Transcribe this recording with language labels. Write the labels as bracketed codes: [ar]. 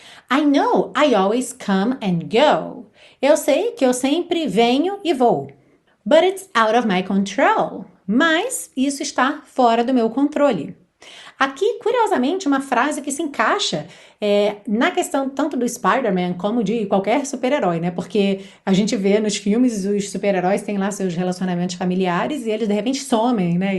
[en] I know I always come and go. [pt] Eu sei que eu sempre venho e vou. [en] But it's out of my control. [pt] Mas isso está fora do meu controle. Aqui, curiosamente, uma frase que se encaixa na questão tanto do Spider-Man como de qualquer super-herói, né? Porque a gente vê nos filmes os super-heróis têm lá seus relacionamentos familiares e eles de repente somem, né?